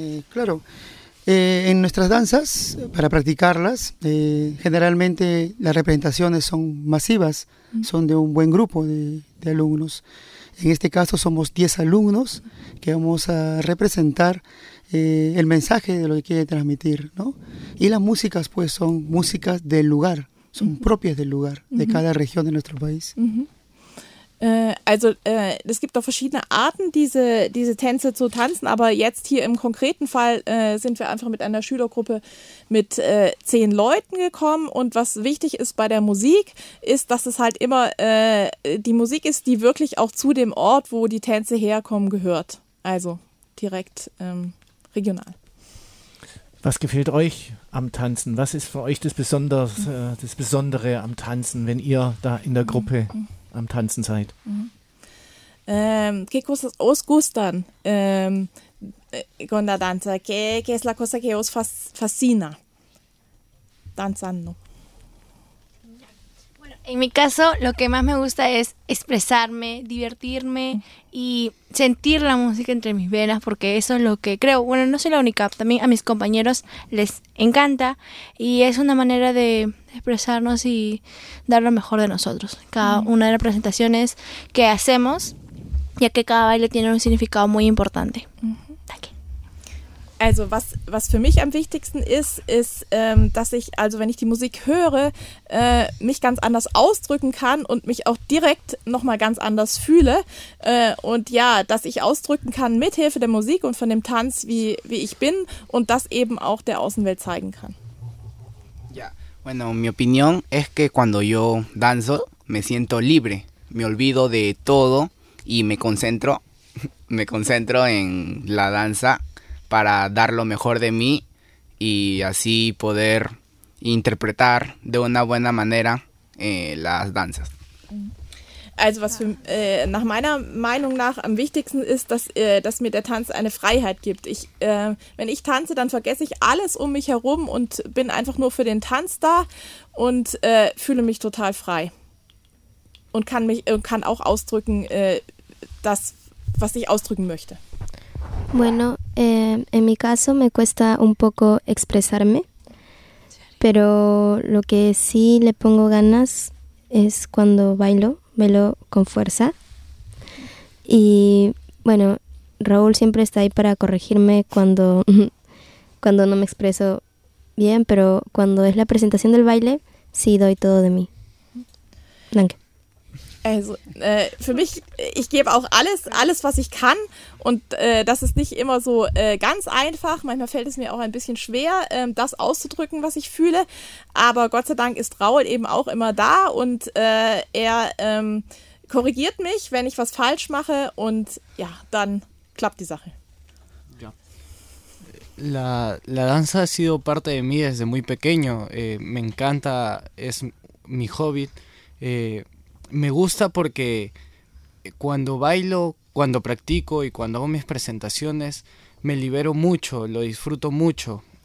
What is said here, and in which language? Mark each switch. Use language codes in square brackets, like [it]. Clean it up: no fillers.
[es] Claro, en nuestras danzas, para practicarlas, generalmente las representaciones son masivas, son de un buen grupo de alumnos. En este caso somos 10 alumnos que vamos a representar el mensaje de lo que quiere transmitir, ¿no? Y las músicas pues son músicas del lugar, son propias del lugar, de cada región de nuestro país. [de] Also es gibt auch verschiedene Arten, diese Tänze zu tanzen, aber jetzt hier im konkreten Fall sind wir einfach mit einer Schülergruppe mit 10 Leuten gekommen und was wichtig ist bei der Musik ist, dass es halt immer die Musik ist, die wirklich auch zu dem Ort, wo die Tänze herkommen, gehört. Also direkt regional. Was gefällt euch am Tanzen? Was ist für euch das Besondere am Tanzen, wenn ihr da in der Gruppe am Tanzen seid? [es] ¿Qué cosas os gustan con la danza? ¿Qué es la cosa que os fascina danzando? Bueno, en mi caso, lo que más me gusta es expresarme, divertirme y sentir la música entre mis venas, porque eso es lo que creo. Bueno, no soy la única, también a mis compañeros les encanta y es una manera de expresarnos y dar lo mejor de nosotros. Cada una de las presentaciones que hacemos, ya que cada baile tiene un significado muy importante. [de] Also was für mich am wichtigsten ist, ist, dass ich, also wenn ich die Musik höre, mich ganz anders ausdrücken kann und mich auch direkt nochmal ganz anders fühle. Und ja, dass ich ausdrücken kann mithilfe der Musik und von dem Tanz, wie ich bin und das eben auch der Außenwelt zeigen kann. [es] Ja, bueno, mi opinión es que cuando yo danzo, me siento libre, me olvido de todo y me concentro en la danza, para dar lo mejor de mí y así poder interpretar de una buena manera las danzas. [de] Also was für, nach meiner Meinung nach am wichtigsten ist, dass mir der Tanz eine Freiheit gibt. Wenn ich tanze, dann vergesse ich alles um mich herum und bin einfach nur für den Tanz da und fühle mich total frei. Und kann auch ausdrücken, das, was ich ausdrücken möchte. [es] Bueno, en mi caso me cuesta un poco expresarme, pero lo que sí le pongo ganas es cuando bailo, bailo con fuerza. Y bueno, Raúl siempre está ahí para corregirme cuando no me expreso bien, pero cuando es la presentación del baile, sí doy todo de mí. [de] Danke. Also für mich, ich gebe auch alles, was ich kann, und das ist nicht immer so ganz einfach. Manchmal fällt es mir auch ein bisschen schwer, das auszudrücken, was ich fühle, aber Gott sei Dank ist Raul eben auch immer da und er korrigiert mich, wenn ich was falsch mache, und ja, dann klappt die Sache. [es] La danza ha sido parte de mí desde muy pequeño. Me encanta, es mi hobby. Me gusta porque cuando bailo, cuando practico y cuando hago mis presentaciones, me libero mucho, lo disfruto mucho.